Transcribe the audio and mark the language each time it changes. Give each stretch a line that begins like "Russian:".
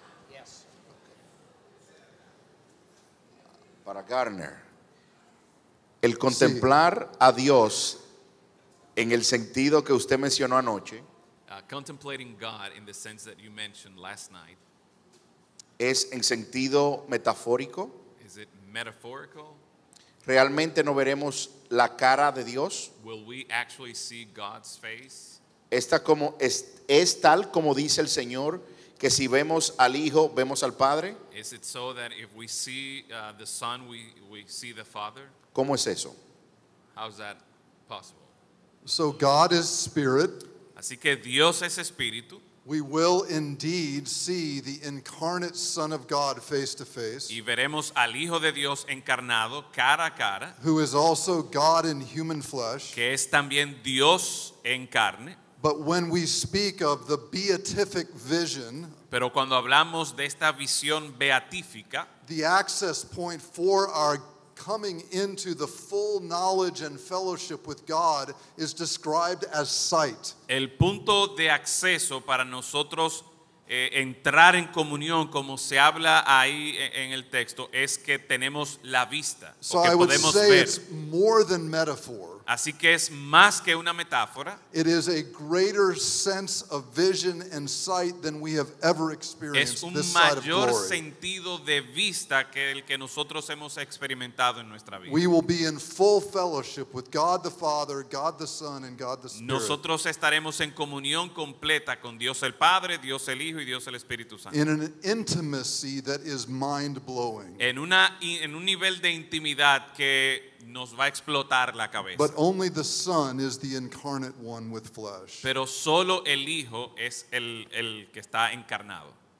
English: Yes.
Spanish: Para Garner, el contemplar a Dios en el sentido que usted mencionó anoche,
English: contemplating God in the sense that you mentioned last night,
Spanish: ¿es en sentido metafórico?
English: Is it metaphorical?
Spanish: ¿Realmente no veremos la cara de Dios?
English: Will we actually see God's face?
Spanish: ¿Es tal como dice el Señor, que si vemos al Hijo, vemos al Padre?
English: Is it so that if we see the Son, we see the Father?
Spanish: ¿Cómo es eso?
English: How is that possible? So God is spirit.
Spanish: Así que Dios es espíritu.
English: We will indeed see the incarnate Son of God face to face.
Spanish: Y veremos al Hijo de Dios encarnado cara a cara.
English: Who is also God in human flesh.
Spanish: Que es también Dios en carne.
English: But when we speak of the beatific vision.
Spanish: Pero cuando hablamos de esta visión beatífica.
English: The access point for our coming into the full knowledge and fellowship with God is described as sight.
Spanish: El punto de acceso para nosotros entrar en comunión, como se habla ahí en el texto, es que tenemos la vista,
English: so
Spanish: que
English: I
Spanish: podemos
English: would say
Spanish: ver.
English: It's more than metaphor.
Spanish: Así que es más que una metáfora.
English: It is a greater sense of vision and sight than we have ever experienced this side of glory.
Spanish: Es un mayor sentido de vista que el que nosotros hemos experimentado en nuestra vida.
English: We will be in full fellowship with God the Father, God the Son, and God the Spirit.
Spanish: Nosotros estaremos en comunión completa con Dios el Padre, Dios el Hijo y Dios el Espíritu Santo.
English: In an intimacy that is mind-blowing.
Spanish: En un nivel de intimidad que nos va a explotar la cabeza.
English: But only the Son is the incarnate one with flesh.
Spanish: Pero solo el Hijo es el que está encarnado.